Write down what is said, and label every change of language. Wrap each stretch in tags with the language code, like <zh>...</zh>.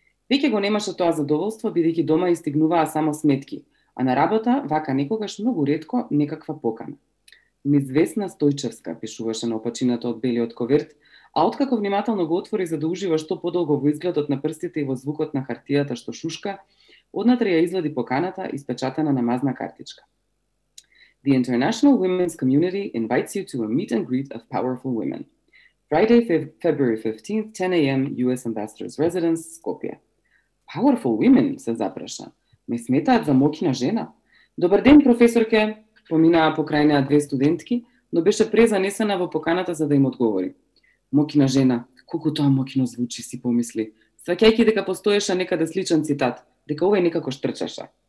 <mk>Веќе го немаше тоа задоволство, бидејќи дома истигнуваа само сметки, а на работа, вака некогаш многу ретко, некаква покана. Незвесна Стојчевска, пишуваше на опачината од белиот коверт, а откако внимателно го отвори за да ужива што подолго во изгледот на прстите и во звукот на хартијата што шушка, однатре ја извади поканата, испечатена на мазна картичка.</mk> <en>The International Women's Community invites you to a meet and greet of powerful women. Friday, February 15th, 10 a.m, US Ambassador's Residence, Skopje. Powerful women,</en> <mk>се запраша. Ме сметаат за моќна жена? Добар ден, професорке, поминаа покрај неа две студентки, но беше презанесена во поканата за да им одговори. Мокина жена, колку тоа мокино звучи, си помисли, сваќајќи дека постоеше некаде сличен цитат, дека овој некако штрчаше.</mk>